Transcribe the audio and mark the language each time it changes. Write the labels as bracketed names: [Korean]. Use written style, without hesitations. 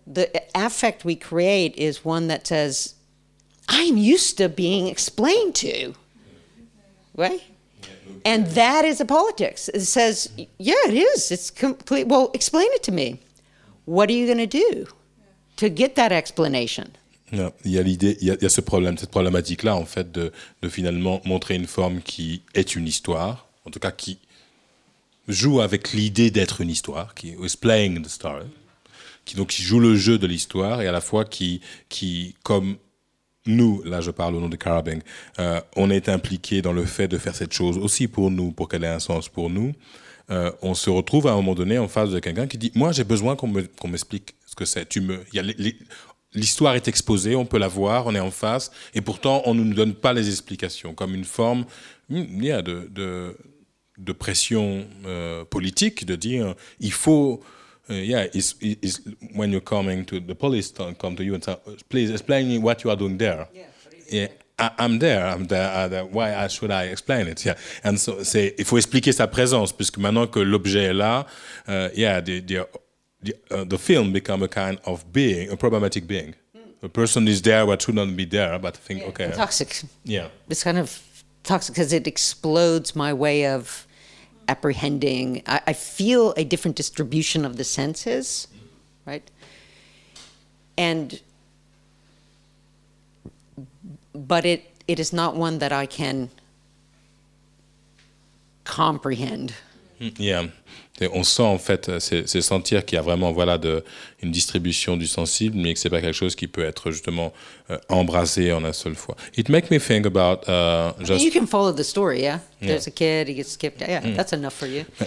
[English] the affect we create is one that says, I'm used to being explained to, right? And that is a politics. It says, yeah, it is. It's complete. Well, explain it to me. What are you going to do to get that explanation? [French] Il y a l'idée, il y a ce problème, cette problématique-là, en fait, de finalement montrer une forme qui est une histoire, en tout cas qui joue avec l'idée d'être une histoire, qui [English] is playing the story, [French] qui donc qui joue le jeu de l'histoire et à la fois qui comme nous, là je parle au nom de Carabing, on est impliqué dans le fait de faire cette chose aussi pour nous, pour qu'elle ait un sens pour nous, on se retrouve à un moment donné en face de quelqu'un qui dit, moi j'ai besoin qu'on m'explique ce que c'est, l'histoire est exposée, on peut la voir, on est en face, et pourtant on ne nous donne pas les explications, comme une forme de pression politique, de dire, il faut... [English] It's when you're coming to the police, come to you and say, please explain me what you are doing there. I'm there. Why should I explain it? Yeah. And so, [French] c'est, il faut expliquer sa présence, puisque maintenant que l'objet est là, [English] the film becomes a kind of being, a problematic being. The person is there, but should not be there, but think, okay. It's toxic. Yeah. It's kind of toxic because it explodes my way of apprehending. I feel a different distribution of the senses, right? But it is not one that I can comprehend. [French] Yeah, on sent en fait c'est sentir qu'il y a vraiment voilà de une distribution du sensible, mais que c'est pas quelque chose qui peut être justement embrasé en un seul fois. [English] It makes me think about. Just... You can follow the story, yeah. There's a kid, he gets skipped. Yeah, that's enough for you.